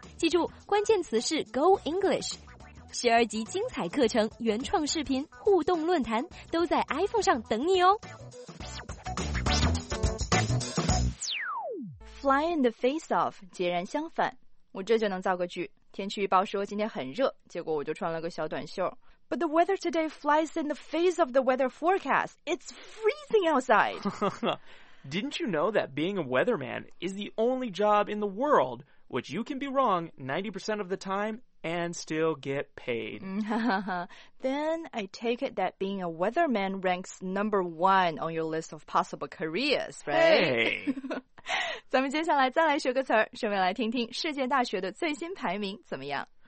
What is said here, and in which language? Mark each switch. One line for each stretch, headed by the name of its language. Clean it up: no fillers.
Chinese: 记住，关键词是 Go English。12集精彩课程、原创视频、互动论坛都在 iPhone 上等你哦。
English: Fly in the face of
Chinese: 截然相反，我这就能造个句。天气预报说今天很热，结果我就穿了个小短袖。
English: But the weather today flies in the face of the weather forecast. It's freezing outside. Didn't you know that being a weatherman is the only job in the world which you can be wrong 90% of the time and still get paid? Then I take it that being a weatherman ranks number one on your list of possible careers, right? Hey!
Chinese: 咱们接下来再来学个词儿，顺便来听听世界大学的最新排名怎么样。